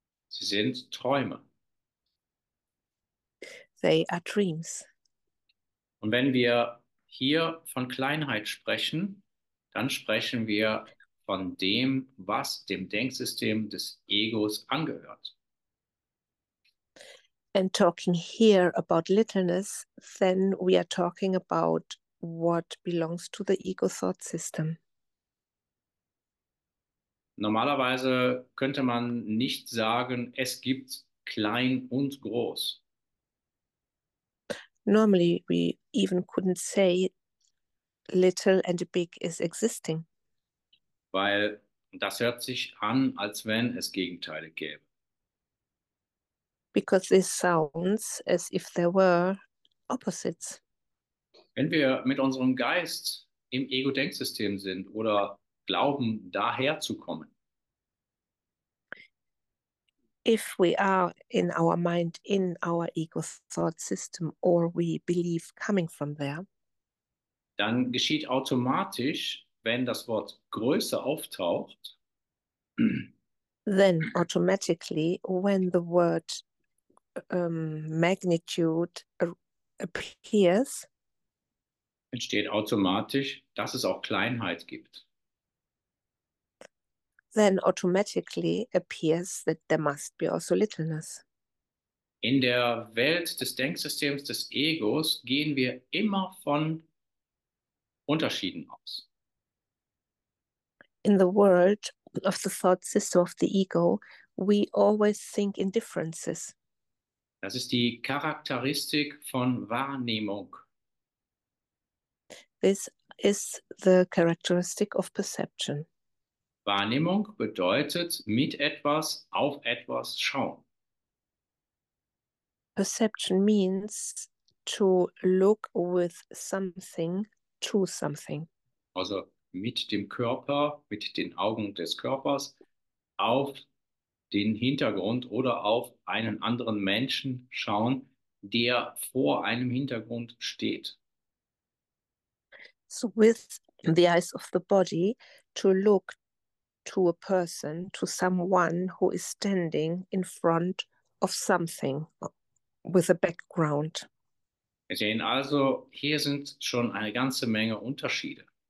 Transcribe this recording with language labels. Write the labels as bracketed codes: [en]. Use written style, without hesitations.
[de] Sie sind Träume. [en] They are dreams. [de] Und wenn wir hier von Kleinheit sprechen, dann sprechen wir von dem, was dem Denksystem des Egos angehört. [en] And talking here about littleness, then we are talking about what belongs to the ego thought system. [de] Normalerweise könnte man nicht sagen, es gibt klein und groß. [en] Normally we even couldn't say little and big is existing. [de] Weil das hört sich an, als wenn es Gegenteile gäbe. [en] Because this sounds as if there were opposites. [de] Wenn wir mit unserem Geist im Ego-Denksystem sind oder glauben, daher zu kommen. [en] If we are in our mind, in our ego thought system, or we believe coming from there, [de] dann geschieht automatisch, wenn das Wort Größe auftaucht, [en] then automatically, when the word magnitude appears, [de] entsteht automatisch, dass es auch Kleinheit gibt. [en] Then automatically appears that there must be also littleness. [de] In der Welt des Denksystems des Egos gehen wir immer von Unterschieden aus. [en] In the world of the thought system of the ego, we always think in differences. [de] Das ist die Charakteristik von Wahrnehmung. [en] This is the characteristic of perception. [de] Wahrnehmung bedeutet mit etwas auf etwas schauen. [en] Perception means to look with something to something. [de] Also mit dem Körper, mit den Augen des Körpers auf den Hintergrund oder auf einen anderen Menschen schauen, der vor einem Hintergrund steht. [en] So with the eyes of the body to look to a person, to someone who is standing in front of something with a background. [de] Wir sehen also, hier sind schon eine ganze Menge Unterschiede.